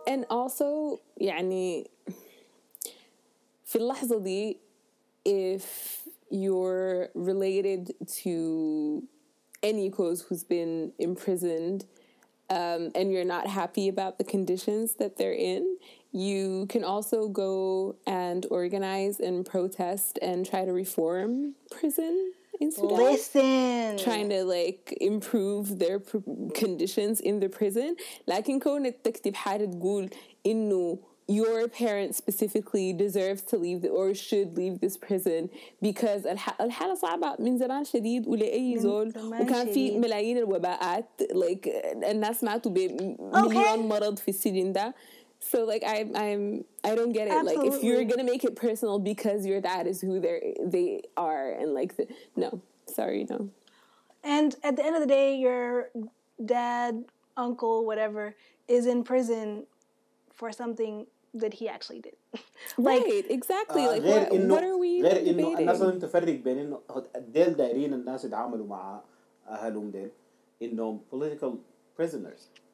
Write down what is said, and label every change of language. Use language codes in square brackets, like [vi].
[en] And also, [ar] يعني, في اللحظة دي, [en] if you're related to any cause who's been imprisoned and you're not happy about the conditions that they're in, you can also go and organize and protest and try to reform prison in Sudan. Listen! Trying to, like, improve their conditions in the prison. [ar] لكن كونك تكتب حاجة تقول إنه [en] your parents specifically deserve to leave the, or should leave this prison because [ar] الحالة صعبة من زمان شديد ولأي زول وكان في ملايين الوباءات like الناس ماتوا بمليون مرض في السجن ده. [en] So like I don't get it. Absolutely. Like if you're gonna make it personal because your dad is who they are and like the, no sorry no. And at the end of the day, your dad, uncle, whatever is in prison for something that he actually did. Like, right, exactly. Like what are we [ar] غير إنه الناس اللي تفرق بين إنه ديل دايرين الناس يتعاملوا مع أهلهم ديل إنهم political prisoners.